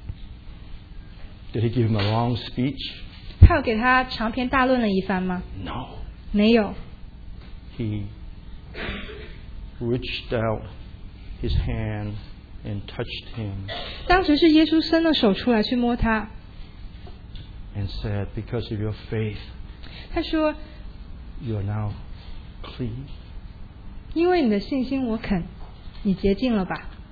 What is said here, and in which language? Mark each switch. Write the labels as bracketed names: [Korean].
[Chinese] 耶稣在回答他之前，他做了什么？ [English] Did He give him a long speech? [Chinese] 他有给他长篇大论了一番吗？ [English] No. [Chinese] 没有。 [English] He reached out His hand and touched Him. [Chinese] 当时是耶稣伸了手出来去摸他。 [English] And said, because of your faith, [Chinese] 他说, [English] you are now clean. [Chinese] 因为你的信心我肯，你洁净了吧？